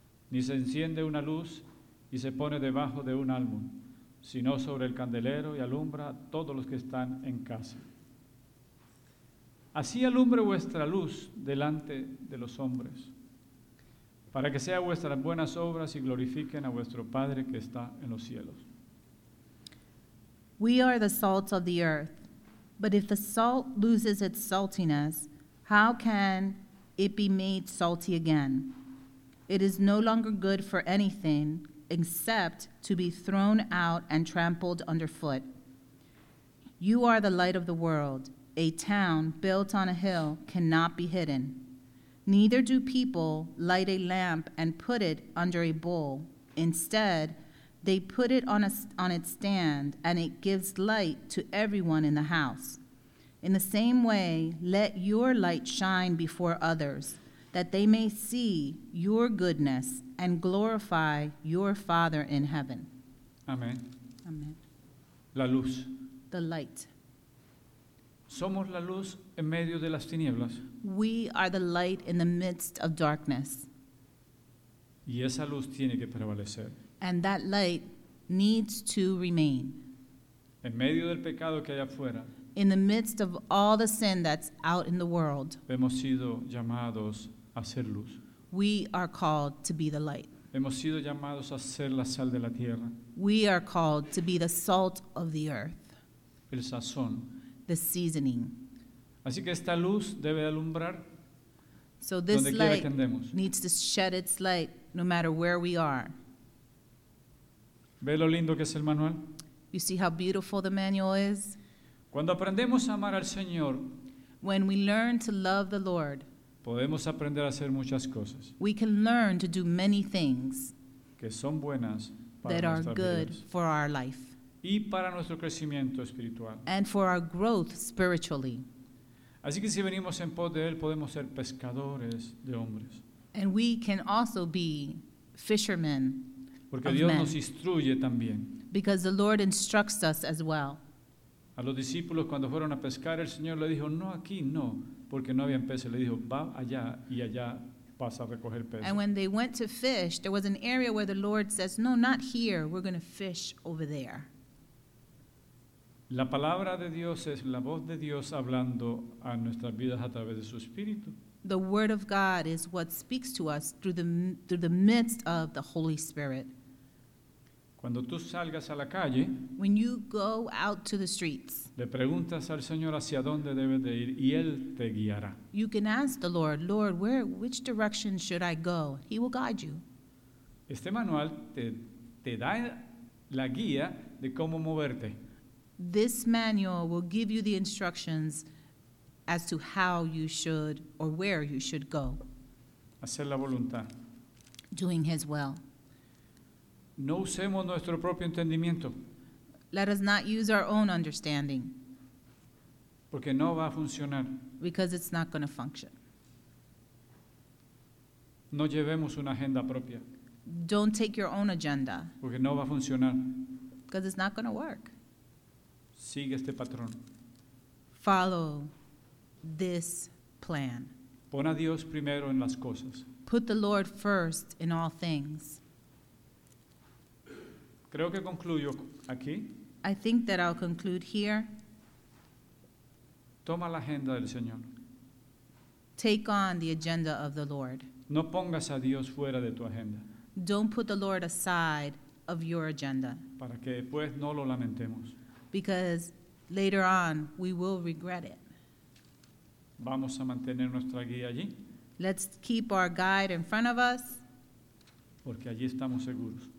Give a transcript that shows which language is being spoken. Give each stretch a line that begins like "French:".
Spanish: Ni se enciende una luz y se pone debajo de un álbum, sino sobre el candelero y alumbra a todos los que están en casa. Así alumbre vuestra luz delante de los hombres, para que sean vuestras buenas obras y glorifiquen a vuestro Padre que está en los cielos.
English: We are the salt of the earth, but if the salt loses its saltiness, how can it be made salty again? It is no longer good for anything except to be thrown out and trampled underfoot. You are the light of the world. A town built on a hill cannot be hidden. Neither do people light a lamp and put it under a bowl. Instead, they put it on its stand, and it gives light to everyone in the house. In the same way, let your light shine before others, that they may see your goodness and glorify your Father in heaven. Amen. Amen.
Spanish: La luz.
English: The light.
Spanish: Somos la luz en medio de las tinieblas.
English: We are the light in the midst of darkness.
Spanish: Y esa luz tiene que prevalecer.
English: And that light needs to remain.
Spanish: En medio del pecado que hay afuera.
English: In the midst of all the sin that's out in the world.
Spanish: Hemos sido llamados a ser luz.
English: We are called to be the light.
Spanish: Hemos sido llamados a ser la sal de la tierra.
English: We are called to be the salt of the earth.
Spanish: El sazón.
English: The seasoning.
Spanish: Así que esta luz debe alumbrar.
English: So this light needs to shed its light no matter where we are.
Spanish: ¿Ve lo lindo que es el manual?
English: You see how beautiful the manual is?
Spanish: Cuando aprendemos a amar al Señor,
English: when we learn to love the Lord,
Spanish: podemos aprender a hacer muchas cosas.
English: We can learn to do many things
Spanish: que son buenas para
English: that are good
Spanish: vidas.
English: For our life.
Spanish: Y para nuestro crecimiento espiritual.
English: And for our growth spiritually.
Spanish: Así que si venimos en pos de él, podemos ser pescadores de hombres.
English: And we can also be fishermen.
Spanish: Porque Dios nos instruye también.
English: Because the Lord instructs us as well.
Spanish: A los discípulos cuando fueron a pescar, el Señor le dijo, no aquí, no, porque no habían peces. Le dijo, va allá y allá vas a recoger peces.
English: And when they went to fish, there was an area where the Lord says, no, not here, we're going to fish over there.
Spanish: La palabra de Dios es la voz de Dios hablando a nuestras vidas a través de su Espíritu.
English: The word of God is what speaks to us through the midst of the Holy Spirit.
Spanish: Cuando tú salgas a la calle,
English: when you go out to the streets,
Spanish: le preguntas al Señor hacia dónde debes de ir y él te guiará.
English: You can ask the Lord, Lord, which direction should I go? He will guide you.
Spanish: Este manual te da la guía de cómo moverte.
English: This manual will give you the instructions as to how you should or where you should go.
Spanish: Hacer la voluntad.
English: Doing his will.
Spanish: No usemos nuestro propio entendimiento.
English: Let us not use our own understanding.
Spanish: Porque no va a funcionar.
English: Because it's not going to function.
Spanish: No llevemos una agenda propia.
English: Don't take your own agenda.
Spanish: Porque no va a funcionar.
English: Because it's not going to work.
Spanish: Sigue este patrón.
English: Follow this plan.
Spanish: Pon a Dios primero en las cosas.
English: Put the Lord first in all things.
Spanish: Creo que concluyo aquí.
English: I think that I'll conclude here.
Spanish: Toma la agenda del Señor.
English: Take on the agenda of the Lord.
Spanish: No pongas a Dios fuera de tu agenda.
English: Don't put the Lord aside of your agenda.
Spanish: Para que después no lo lamentemos.
English: Because later on, we will regret it.
Spanish: Vamos a mantener nuestra guía allí.
English: Let's keep our guide in front of us.
Spanish: Porque allí estamos seguros.